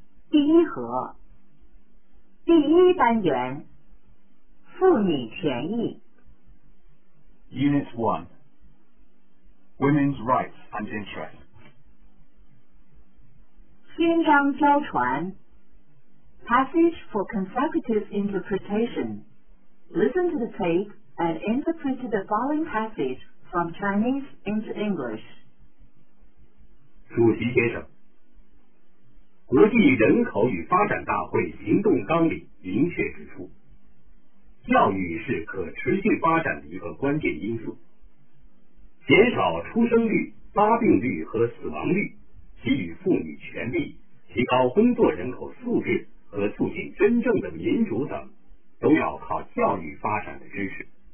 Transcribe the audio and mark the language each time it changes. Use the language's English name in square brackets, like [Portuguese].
[Chinese] 第一和第一单元妇女权益 [English] Unit 1 Women's Rights and Interests [Chinese] 宣章交传 [English] Passage for consecutive interpretation Listen to the tape and interpret the following passage from Chinese into English. [Chinese] 主席先生，国际人口与发展大会行动纲领明确指出，教育是可持续发展的一个关键因素。减少出生率、发病率和死亡率，给予妇女权利，提高工作人口素质和促进真正的民主等，都要靠教育发展的支持。